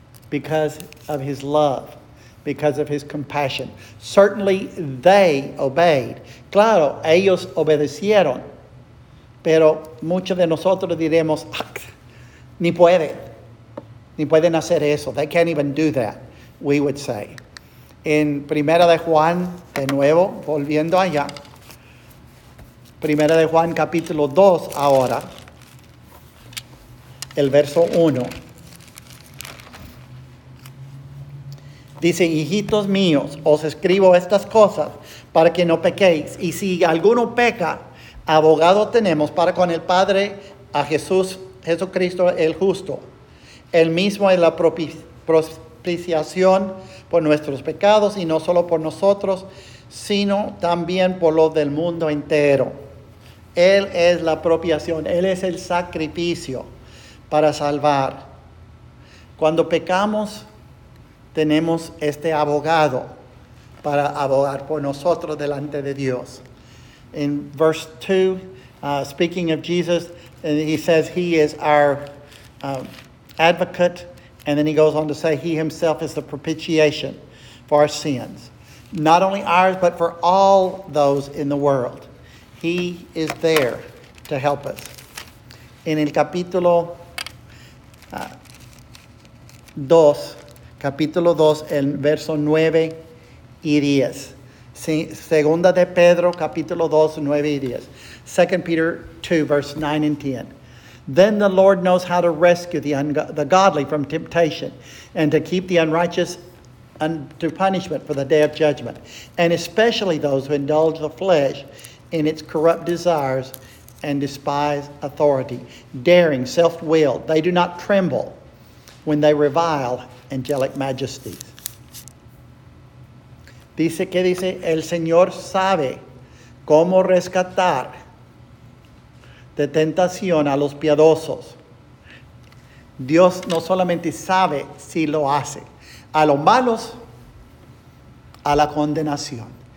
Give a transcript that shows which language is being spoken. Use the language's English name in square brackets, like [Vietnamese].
[English] Because of his love, because of his compassion. Certainly they obeyed. [Spanish] Claro, ellos obedecieron. Pero muchos de nosotros diremos, ni pueden. Ni pueden hacer eso. [English] They can't even do that, we would say. [Spanish] En Primera de Juan, de nuevo, volviendo allá. Primera de Juan, capítulo 2, ahora. El verso 1. Dice, hijitos míos, os escribo estas cosas para que no pequéis. Y si alguno peca, abogado tenemos para con el Padre, a Jesús, Jesucristo el justo. El mismo es la propiciación por nuestros pecados, y no solo por nosotros, sino también por los del mundo entero. Él es la propiciación, Él es el sacrificio para salvar. Cuando pecamos, tenemos este abogado para abogar por nosotros delante de Dios. [English] In verse 2, speaking of Jesus, he says he is our advocate, and then he goes on to say he himself is the propitiation for our sins. Not only ours, but for all those in the world. He is there to help us. [Spanish] In el capítulo 2, capítulo 2, el verso 9 y 10. Segunda de Pedro, capítulo 2, 9 y 10. [English] 2 Peter 2, verse 9 and 10. Then the Lord knows how to rescue the godly from temptation and to keep the unrighteous unto punishment for the day of judgment, and especially those who indulge the flesh in its corrupt desires and despise authority, daring, self-willed. They do not tremble when they revile angelic majesties. [Spanish] Dice, ¿qué dice? El Señor sabe cómo rescatar de tentación a los piadosos Dios no solamente sabe si lo hace, a los malos, a la condenación.